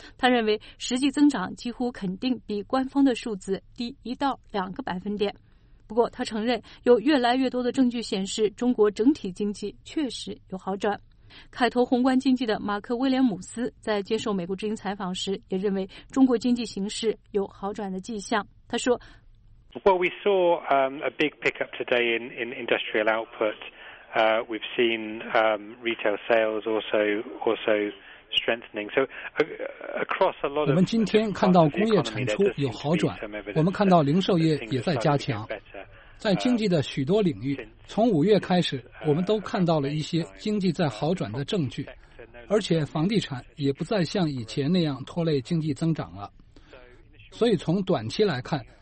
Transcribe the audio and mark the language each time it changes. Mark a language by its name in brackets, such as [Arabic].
[Chinese] 他认为实际增长几乎肯定比官方的数字低1到2个百分点。不过他承认，有越来越多的证据显示中国整体经济确实有好转。凯投宏观经济的马克·威廉姆斯在接受美国之音采访时也认为中国经济形势有好转的迹象。他说， [English] Well, we saw a big pickup today in industrial output. We've seen retail sales also strengthening. So across a lot of [Chinese] 我们今天看到工业产出有好转，我们看到零售业也在加强。在经济的许多领域，从5月开始，我们都看到了一些经济在好转的证据，而且房地产也不再像以前那样拖累经济增长了。所以从短期来看，